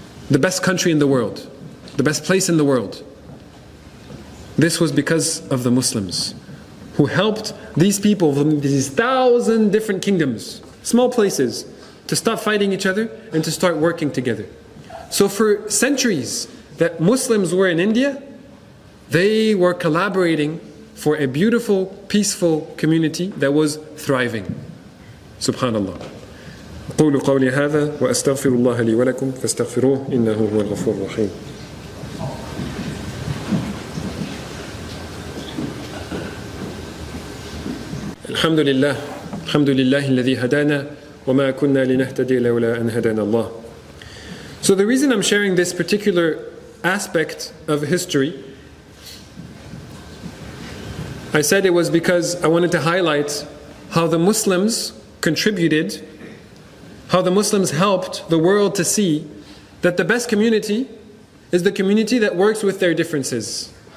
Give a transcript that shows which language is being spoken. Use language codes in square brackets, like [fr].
[en] The best country in the world. The best place in the world. This was because of the Muslims, who helped these people from these 1,000 different kingdoms, small places, to stop fighting each other and to start working together. So for centuries that Muslims were in India, they were collaborating for a beautiful, peaceful community that was thriving. Subhanallah. [ar] قولوا قولي هذا وأستغفر الله لي ولكم فاستغفروه إنه هو الغفور الرحيم. الحمد لله الحمد لله الذي هدانا وما كنا لنهتدي لولا أن هدانا الله. [en] So the reason I'm sharing this particular aspect of history, I said it was because I wanted to highlight how the Muslims contributed, how the Muslims helped the world to see that the best community is the community that works with their differences.